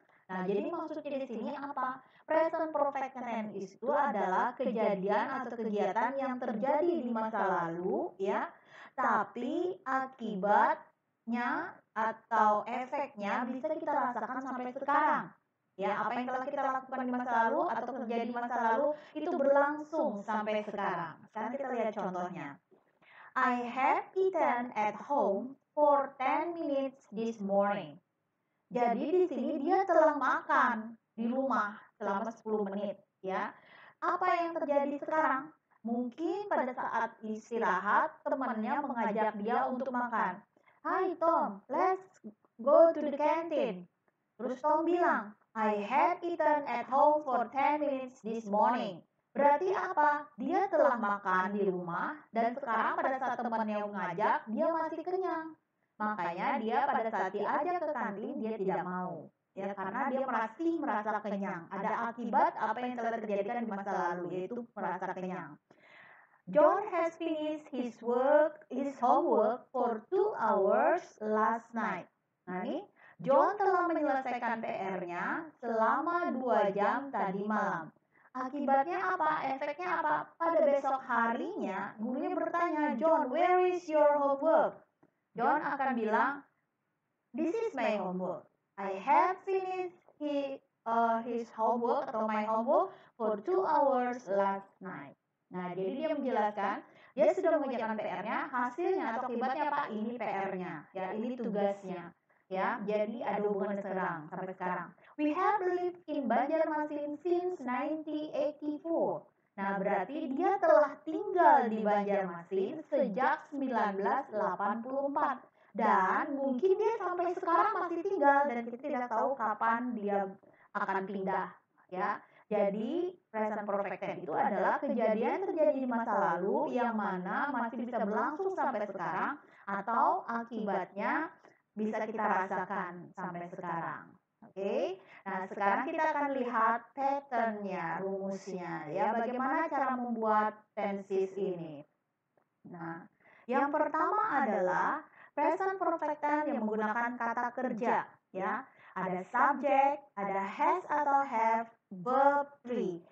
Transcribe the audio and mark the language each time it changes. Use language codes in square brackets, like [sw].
[id] Nah, jadi maksudnya di sini apa? Present perfect tense itu adalah kejadian atau kegiatan yang terjadi di masa lalu, ya. Tapi akibatnya atau efeknya bisa kita rasakan sampai sekarang. Ya, apa yang telah kita lakukan di masa lalu atau terjadi di masa lalu itu berlangsung sampai sekarang. Sekarang kita lihat contohnya. [en] I have eaten at home for 10 minutes this morning. [id] Jadi di sini dia telah makan di rumah selama 10 menit, ya. Apa yang terjadi sekarang? Mungkin pada saat istirahat temannya mengajak dia untuk makan. [en] Hi Tom, let's go to the canteen. [id] Terus Tom bilang, [en] I have eaten at home for 10 minutes this morning. [id] Berarti apa? Dia telah makan di rumah dan sekarang pada saat temannya mengajak dia masih kenyang. Makanya dia pada saat diajak ke kantin dia tidak mau. Ya karena dia masih merasa kenyang. Ada akibat apa yang telah terjadi di masa lalu yaitu merasa kenyang. [en] John has finished his homework for 2 hours last night. [id] Nah, ini John telah menyelesaikan PR-nya selama 2 jam tadi malam. Akibatnya apa? Efeknya apa? Pada besok harinya gurunya bertanya, [en] "John, where is your homework?" John [id] akan bilang, [en] this is my homework. I have finished his homework atau my homework for 2 hours last night. [id] Nah, jadi dia menjelaskan, dia sudah mengerjakan PR-nya, hasilnya atau akibatnya apa? Ini PR-nya, ya, ini tugasnya. Ya, jadi ada hubungan sekarang, sampai sekarang. [en] We have lived in Banjarmasin since 1984. [id] Nah, berarti dia telah tinggal di Banjarmasin sejak 1984. Dan mungkin dia sampai sekarang masih tinggal dan kita tidak tahu kapan dia akan pindah. Ya, jadi present perfect tense itu adalah kejadian terjadi di masa lalu yang mana masih bisa berlangsung sampai sekarang atau akibatnya bisa kita rasakan sampai sekarang. Oke, okay. Nah sekarang kita akan lihat pattern-nya, rumusnya, ya bagaimana cara membuat tenses ini. Nah, yang pertama adalah present perfect tense yang menggunakan kata kerja, ya. Ada subject, ada has atau have, verb three.